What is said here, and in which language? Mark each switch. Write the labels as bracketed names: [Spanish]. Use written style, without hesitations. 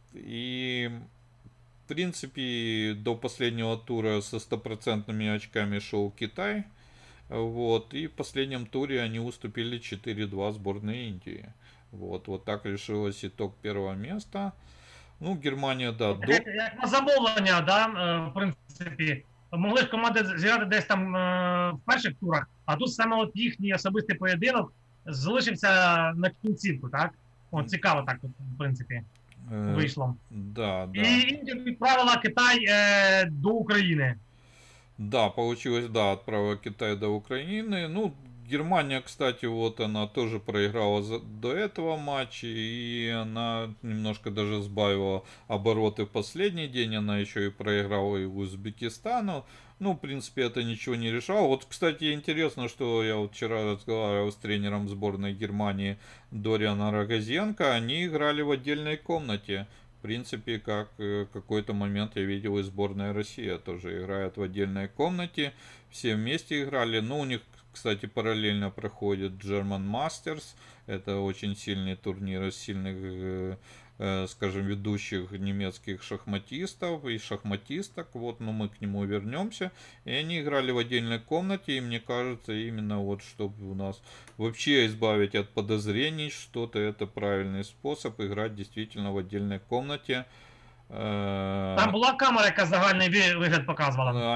[Russian] И в принципе до последнего тура со 100% очками шел Китай. Вот. И в последнем туре они уступили 4-2 сборной Индии. Вот так решилось итог первого места. Ну, Германия, да, до. [Ukrainian] Як на замовлення, да, в принципі, могли ж команди зіграти десь там в перших турах, а тут саме от їхній особистий поєдинок залишився на кінцівку, так? О, цікаво так, в принципі, вийшло. Да. І Індія відправила Китай до України. [Russian] Да, получилось, да, отправа Китая до Украины. Ну, Германия, кстати, вот она тоже проиграла до этого матча, и она немножко даже сбавила обороты в последний день. Она еще и проиграла и Узбекистану. Ну, в принципе, это ничего не решало. Вот, кстати, интересно, что я вот вчера разговаривал с тренером сборной Германии Дориана Рогозенко. Они играли в отдельной комнате. В принципе, как какой-то момент я видел, и сборная России тоже играет в отдельной комнате. Все вместе играли. Ну, у них, кстати, параллельно проходит German Masters. Это очень сильный турнир из сильных, скажем, ведущих немецких шахматистов и шахматисток. Вот, но мы к нему вернемся. И они играли в отдельной комнате. И мне кажется, именно вот, чтобы у нас вообще избавить от подозрений, что-то это правильный способ играть действительно в отдельной комнате. [Ukrainian] Там була камера, яка загальний вигляд показувала.